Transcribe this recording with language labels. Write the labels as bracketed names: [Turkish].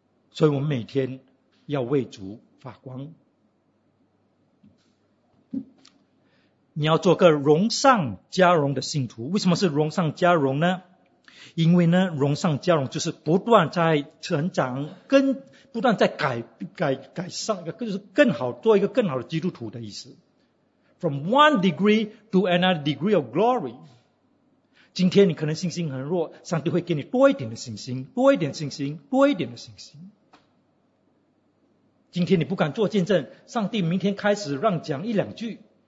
[Chinese] 所以我们每天要为主发光，你要做个荣上加荣的信徒。为什么是荣上加荣呢？因为呢，荣上加荣就是不断在成长，跟不断在改善，就是更好，做一个更好的基督徒的意思。 [English] From one degree to another degree of glory. [Chinese] 今天你可能信心很弱，上帝会给你多一点的信心，多一点信心，多一点的信心。今天你不敢做见证，上帝明天开始让讲一两句。